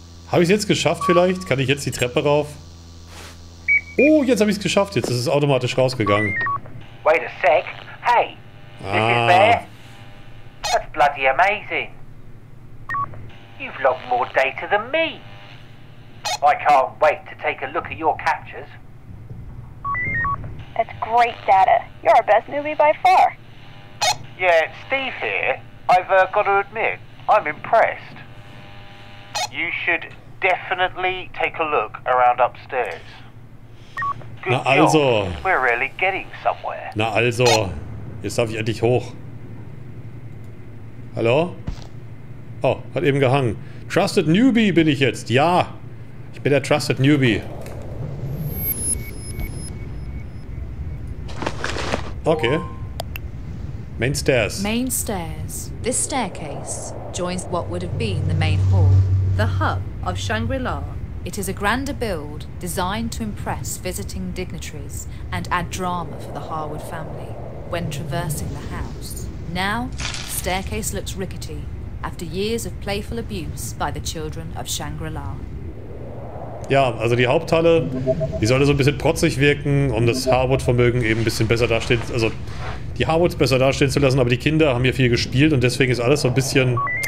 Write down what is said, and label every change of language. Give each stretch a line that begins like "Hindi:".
German: Habe ich es jetzt geschafft vielleicht? Kann ich jetzt die Treppe rauf? Oh, jetzt habe ich es geschafft. Jetzt ist es automatisch rausgegangen.
English: Wait a sec. Hey, this is there. That's bloody amazing. You've logged more data than me. I can't wait to take a look at your captures. That's great data. You're our best newbie by far. Yeah, it's Steve here. I've got to admit, I'm impressed. You should definitely take a look around upstairs.
German: Good Na also.
English: Job. We're really getting somewhere.
German: Na also. Jetzt darf ich endlich hoch. Hallo? Oh, hat eben gehangen. Trusted Newbie bin ich jetzt. Ja. Ich bin der Trusted Newbie.
English: Okay. Main Stairs. Main Stairs. This staircase joins what would have been the main hall. The hub of Shangri-La. It is a grander build designed to impress visiting dignitaries and add drama for the Harwood family when traversing the house. Now, the staircase looks rickety after years of playful abuse by the children of Shangri-La.
German: Ja, also die Haupthalle, die sollte so ein bisschen protzig wirken, um das Harwood-Vermögen eben ein bisschen besser dastehen, also die Harwoods besser dastehen zu lassen, aber die Kinder haben hier viel gespielt und deswegen ist alles so ein bisschen.